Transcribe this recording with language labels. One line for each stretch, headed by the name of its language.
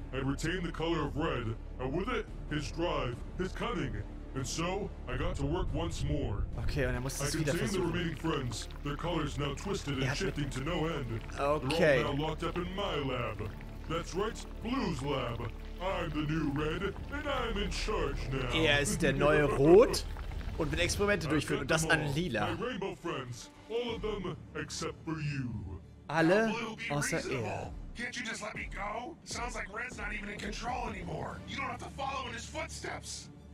English: I retained the color of red, and with it, his drive, his cunning. And so, I got to work once more.
German: Okay, und er musste es wieder versuchen.
English: The remaining friends, their colors now twisted and shifting to no end. Okay. They're all now locked up in my lab. That's right, Blue's lab. I'm the new red, and I'm in charge now.
German: Er ist der neue Rot und wird Experimente durchführen, und das an Lila.
English: My rainbow friends, all of them except for you.
German: Alle außer er.
English: Can't you just let me go? Sounds like Red's not even in control anymore. You don't have to follow in his footsteps.